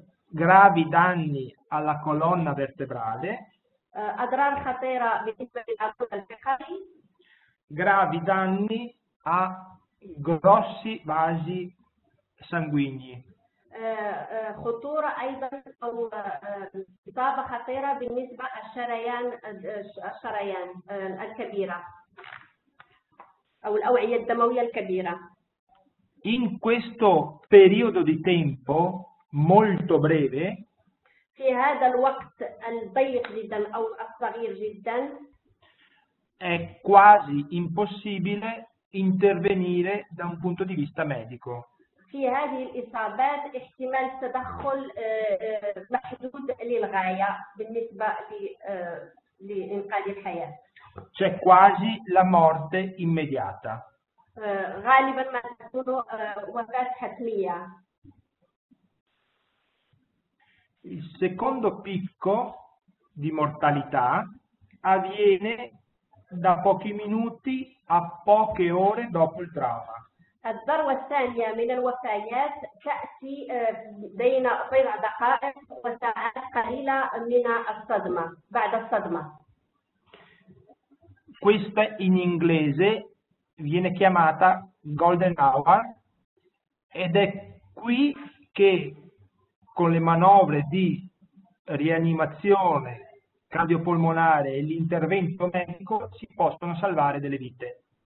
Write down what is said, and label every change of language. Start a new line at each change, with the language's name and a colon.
Italian: Gravi danni alla colonna vertebrale.
Arabic: أضرار خطيرة بالنسبة للعضلة الفقرية.
Italian: Gravi danni a grossi vasi sanguigni.
Arabic: خطورة أيضا أو إصابة خطيرة بالنسبة للشريان الكبيرة أو الأوعية الدموية الكبيرة.
Italian: In questo periodo di tempo molto breve,
Arabic: في هذا الوقت الضيق جدا أو الصغير جدا,
Italian: è quasi impossibile intervenire da un punto di vista medico.
Arabic: في هذه الإصابات احتمال التدخل محدود للغاية بالنسبة لإنقاذ الحياة.
Italian: C'è quasi la morte immediata.
Arabic: غالبا ما تكون وفاة حتمية.
Italian: Il secondo picco di mortalità avviene da pochi minuti a poche ore dopo il trauma.
Arabic: الذروة الثانية من الوفيات تأتي بين بضع دقائق وساعات قليلة من الصدمة بعد الصدمة.
Italian: Questa in inglese viene chiamata golden hour ed è qui che con le manovre di rianimazione cardiopolmonare e l'intervento medico si possono salvare delle vite.